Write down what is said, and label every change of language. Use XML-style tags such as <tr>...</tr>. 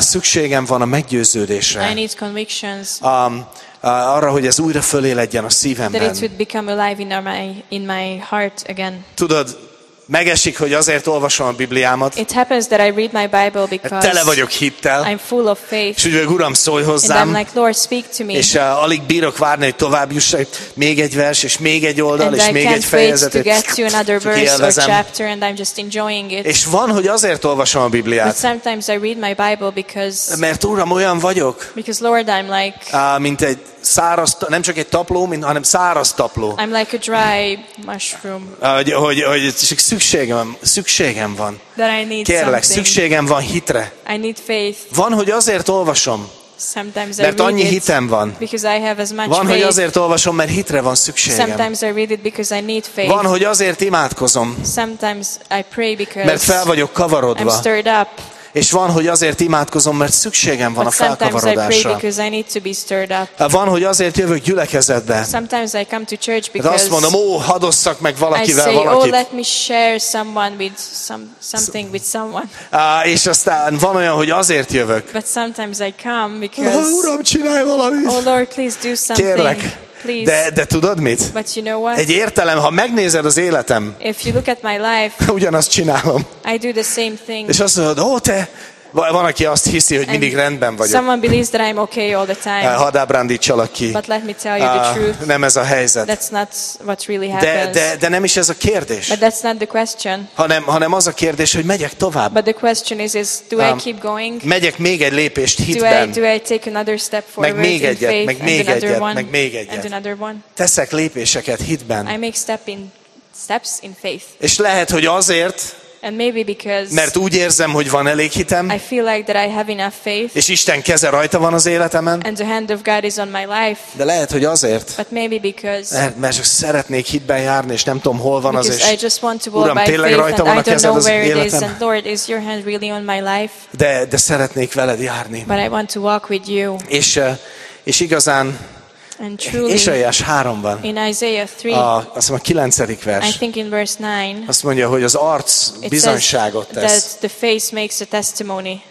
<hu>Szükségem van a meggyőződésre.</hu> <en>I need convictions.</en> <hu>Arra, hogy ez újra föléledjen a szívemben.</hu> <en>That it would become alive in my heart again.</en> <hu>Tudod, megesik, hogy azért olvasom a Bibliámat.</hu> <en>It happens that I read my Bible because</en> <hu>tele vagyok hittel.</hu> <en>I'm full of faith.</en> <hu>És úgy, Uram, szólj hozzám.</hu> <en>And I'm like, Lord, speak to me.</en> <hu>És alig bírok várni, hogy tovább jussak. Még egy vers, és még egy oldal, és még egy fejezet.</hu> <en>And I can't wait to get to another verse or chapter, and I'm just enjoying it.</en> <hu>És van, hogy azért olvasom a Bibliát.</hu> <en>But sometimes I read my Bible because</en> <hu>mert Uram, olyan vagyok.</hu> <en>Because Lord, I'm like</en> <hu>mint egy száraz, nem csak egy tapló, hanem száraz tapló.</hu> <en>I'm like a dry mushroom.</en> <hu>Hogy szükségem van.</hu> <en>That I need</en> <hu>kérlek,</hu> <en>something.</en> <hu>Szükségem van hitre.</hu> <en>I need faith.</en> <hu>Van, hogy azért olvasom.</hu> <en>Sometimes</en> <hu>mert annyi hitem van.</hu> <en>Because I have as much</en> <hu>van,</hu> <en>faith.</en> <hu>Hogy azért olvasom, mert hitre van szükségem.</hu> <en>Sometimes I read it because I need faith.</en> <hu>Van, hogy azért imádkozom.</hu> <en>Sometimes I pray because</en> <hu>mert fel vagyok kavarodva.</hu> <en>I'm stirred up.</en> <hu>És van, hogy azért imádkozom, mert szükségem van</hu> <en>but</en> <hu>a felkavarodásra. Van, hogy azért jövök gyülekezetbe. Mert azt mondom, ó, hadd osszak meg valakivel</hu> <en>say,</en> <hu>valakit.</hu> <en>Oh, let me share someone with something with someone.</en> <hu>És aztán van olyan, hogy azért jövök.</hu> <en>But sometimes I come because</en> <hu>Uram, csinálj valamit.</hu> <en>Oh Lord, please do something.</en> <hu>Kérlek.</hu> <en>Please.</en> <hu>De tudod mit?</hu> <en>But you know what?</en> <hu>Egy értelem, ha megnézed az életem,</hu> <en>if you look at my life,</en> <hu>ugyanazt csinálom.</hu> <en>I do the same thing.</en> <hu>És azt mondod, ó, te! Van, aki azt hiszi, hogy mindig rendben vagyok.</hu> <en>Someone believes that I'm okay all the time.</en> <hu>Hadd ábrándítsalak ki.</hu> <en>But let me tell you the truth.</en> <hu>Nem ez a helyzet.</hu> <en>That's not what really happens.</en> <hu>De nem is ez a kérdés.</hu> <en>But that's not the question.</en> <hu>Hanem az a kérdés, hogy megyek tovább.</hu> <en>But the question is do I keep going?</en> <hu>Megyek még egy lépést hitben.</hu> <en>Do I take another step forward?</en> <hu>Meg még egyet, meg még egyet, meg még egyet.</hu> <en>And another one.</en> <hu>Teszek lépéseket hitben.</hu> <en>I make steps in faith.</en> <hu>És lehet, hogy azért.</hu> <en>And maybe because</en> <hu>mert úgy érzem, hogy van elég hitem.</hu> <en>I feel like that I have enough faith.</en> <hu>És Isten keze rajta van az életemen.</hu> <en>And the hand of God is on my life.</en> <hu>De lehet, hogy azért.</hu> <en>But maybe because</en> <hu>mert csak szeretnék hitben járni, és nem tudom, hol van az</hu> <en>is. Because I just want to walk</en> <hu>Uram,</hu> <en>by faith.</en> <hu>Tényleg rajta van a kezed az életemen.</hu> <en>And Lord, is your hand really on my life?</en> <hu>De szeretnék veled járni.</hu> <en>But I want to walk with you.</en> <hu>És igazán</hu> <en>and truly,</en> <hu>Ésaiás 3-ban,</hu> <en>in Isaiah</en> <hu>3, azt mondja, a 9. vers,</hu> <en>I think in verse 9,</en> <hu>azt mondja, hogy az arc bizonyságot tesz.</hu> <en>That the face makes a testimony.</en>